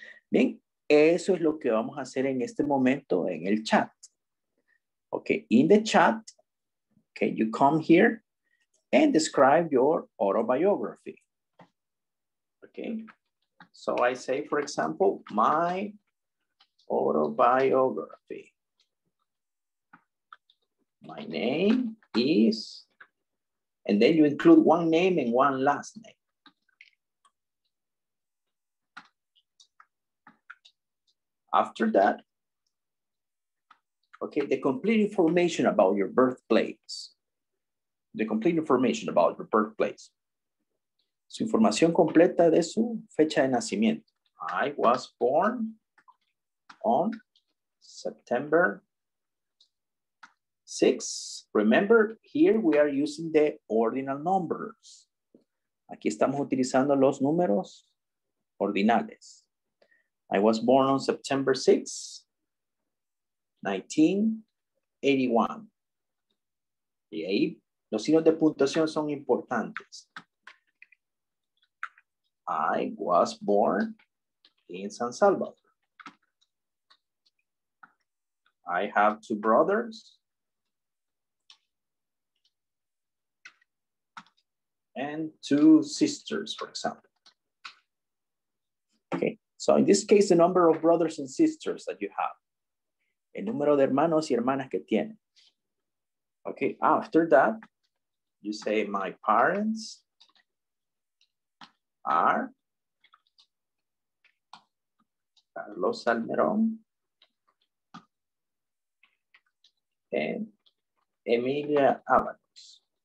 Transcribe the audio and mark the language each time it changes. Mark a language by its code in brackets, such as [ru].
[es] Bien, eso es lo que vamos a hacer en este momento en el chat. [en] Okay, in the chat, okay, you come here and describe your autobiography. Okay? So I say, for example, my autobiography. My name is, and then you include one name and one last name. After that, okay, the complete information about your birthplace. The complete information about your birthplace. [es] Su información completa de su fecha de nacimiento. [en] I was born on September 6. Remember, here we are using the ordinal numbers. [es] Aquí estamos utilizando los números ordinales. [en] I was born on September 6, 1981. [es] Y ahí los signos de puntuación son importantes. [en] I was born in San Salvador. I have two brothers and two sisters, for example. Okay, so in this case, the number of brothers and sisters that you have. [es] El número de hermanos y hermanas que tiene. [en] Okay, after that, you say my parents are Carlos Salmerón and Emilia Avalos.